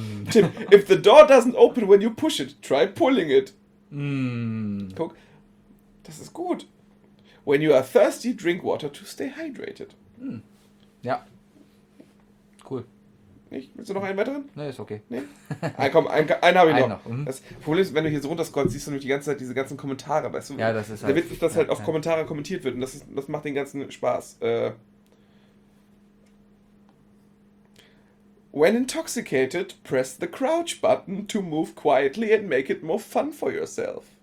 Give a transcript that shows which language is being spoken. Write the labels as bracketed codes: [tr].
[en] Tipp, if the door doesn't open when you push it, try pulling it. [de] Guck, das ist gut. [en] When you are thirsty, drink water to stay hydrated. [de] Mm. Ja. Cool. Nicht? Willst du noch einen weiteren? Nee, ist okay. Nee? Ah, komm, einen habe ich noch. Mhm. Das Problem ist, wenn du hier so runterscrollst, siehst du nämlich die ganze Zeit diese ganzen Kommentare, weißt du? Ja, das ist halt. Der Witz ist, dass halt auf Kommentare kommentiert wird und das macht den ganzen Spaß. [en] When intoxicated, press the crouch button to move quietly and make it more fun for yourself.